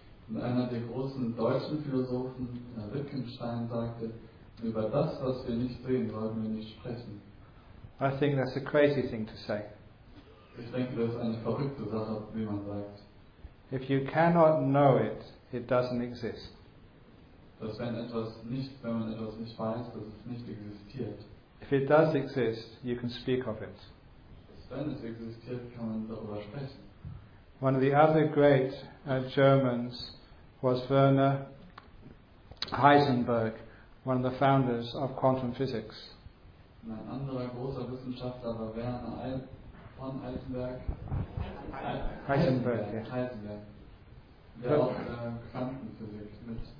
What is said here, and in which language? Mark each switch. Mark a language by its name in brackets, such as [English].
[German] Und einer der großen deutschen Philosophen, Wittgenstein, sagte, über das, was wir nicht sehen, sollten wir nicht sprechen. [English] I think that's a crazy thing to say. [German] Ich denke, das ist eine verrückte Sache, wie man sagt. [English] If you cannot know it, it doesn't exist. [German] Dass wenn etwas nicht, wenn man etwas nicht weiß, dass es nicht existiert. [English] If it does exist, you can speak of it. [German] Wenn es existiert, kann man darüber sprechen. [English] One of the other great Germans was Werner Heisenberg, one of the founders of quantum physics. [German] Ein anderer großer Wissenschaftler war Werner Heisenberg. Heisenberg. Der auch Quantenphysik mit.